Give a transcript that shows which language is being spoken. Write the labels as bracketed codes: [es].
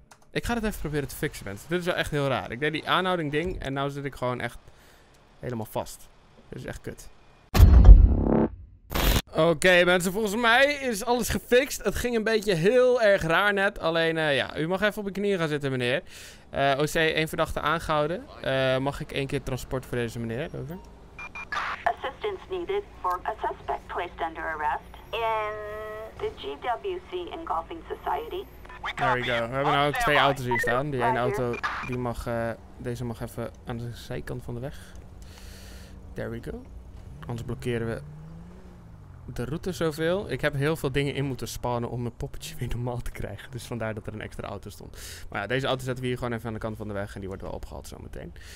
[nl] Ik ga het even proberen te fixen, mensen. Dit is wel echt heel raar. Ik deed die aanhouding ding en nu zit ik gewoon echt helemaal vast. Dit is echt kut. Oké, mensen, volgens mij is alles gefixt. Het ging een beetje heel erg raar net. Alleen, u mag even op uw knieën gaan zitten, meneer. OC, 1 verdachte aangehouden. Mag ik 1 keer transport voor deze meneer? Over. [en] Assistance needed for a suspect placed under arrest in the GWC Engulfing Society. There we go. [nl] We hebben nu ook 2 auto's hier staan. Die 1 auto, die mag, deze mag even aan de zijkant van de weg. [en] There we go. [nl] Anders blokkeren we de route zoveel. Ik heb heel veel dingen in moeten spannen om mijn poppetje weer normaal te krijgen. Dus vandaar dat er een extra auto stond. Maar ja, deze auto zetten we hier gewoon even aan de kant van de weg. En die wordt wel opgehaald zo meteen.